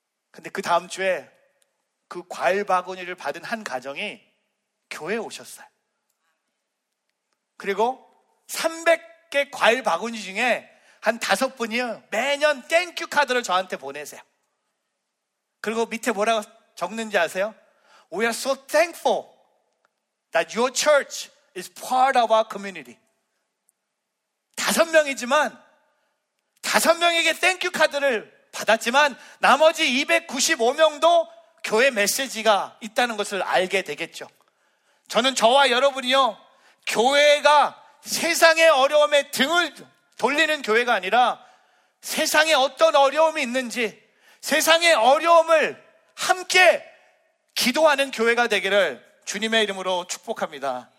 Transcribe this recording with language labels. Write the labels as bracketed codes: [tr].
[ko] 근데 그 다음 주에 그 과일 바구니를 받은 한 가정이 교회에 오셨어요. 그리고 300개 과일 바구니 중에 한 다섯 분이 매년 땡큐 카드를 저한테 보내세요. 그리고 밑에 뭐라고 적는지 아세요? [en] We are so thankful that your church is part of our community. [ko] 다섯 명이지만 다섯 명에게 땡큐 카드를 받았지만 나머지 295명도 교회 메시지가 있다는 것을 알게 되겠죠. 저는 저와 여러분이요, 교회가 세상의 어려움에 등을 돌리는 교회가 아니라 세상에 어떤 어려움이 있는지 세상의 어려움을 함께 기도하는 교회가 되기를 주님의 이름으로 축복합니다.